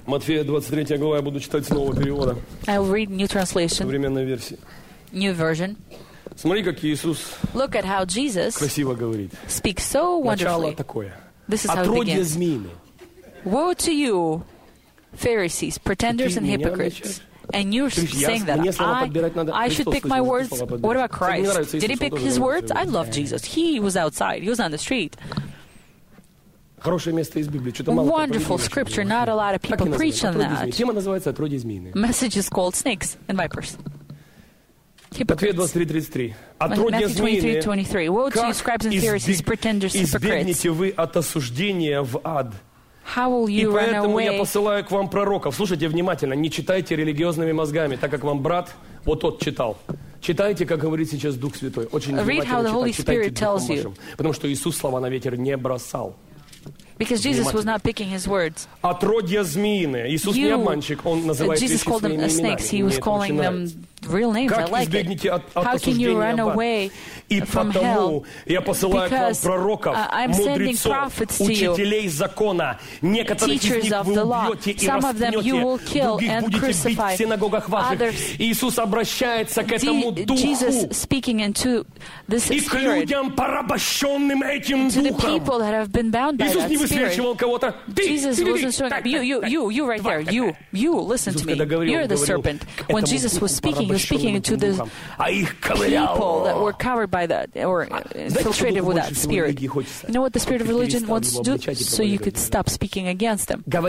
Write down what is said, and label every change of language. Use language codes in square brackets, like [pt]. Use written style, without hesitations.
[ru] Матфея 23 глава, я буду читать с нового перевода. [en] I will read new translation. [ru] Современной версии. [en] New version. [ru] Смотри, как Иисус. [en] Look at how Jesus. [ru] Красиво говорит. [en] Speaks so wonderfully. [ru] Начало такое. [en] This is how it begins. [ru] Отродье змеиное. [en] Woe to you, Pharisees, pretenders and hypocrites. And you're saying that I should pick my words. What about Christ? Did he pick his words? I love Jesus. He was outside. He was on the street. [ru] Хорошее место из Библии. Что-то мало [en] wonderful scripture. Not a lot of people preach on that. [ru] Тема называется «Отродье змеиное». [en] Message is called snakes and vipers. [ru] Матфея 23:33. Отродье змеиное. [en] Woe to you, scribes and Pharisees, pretenders, hypocrites. [ru] Избегнете вы от осуждения в ад. [en] How will you [ru] И поэтому [en] run away? [ru] Я посылаю к вам пророков. Слушайте внимательно, не читайте религиозными мозгами, так как вам брат вот тот читал. Читайте, как говорит сейчас Дух Святой. Очень внимательно читайте Духом вашим. Потому что Иисус слова на ветер не бросал. [en] Because Jesus was not picking his words. [ru] Отродья змеиные. Иисус не обманщик. Он называет вещи своими именами. [en] Jesus called them snakes. He was calling them real names. I like it. How can you run away from hell? [ru] Я посылаю к вам пророков, мудрецов, учителей закона. Некоторых из них вы убьете и распнете. Других будете бить в синагогах ваших. Иисус обращается к этому духу. [en] Speaking into this spirit. [ru] И к людям, порабощенным этим духом. [en] To the people that have been bound by that. Jesus wasn't showing you right there. You, listen to me. You're the serpent. When Jesus was speaking, he was speaking to the people that were covered by that or infiltrated with that spirit. You know what the spirit of religion wants to do? So you could stop speaking against them.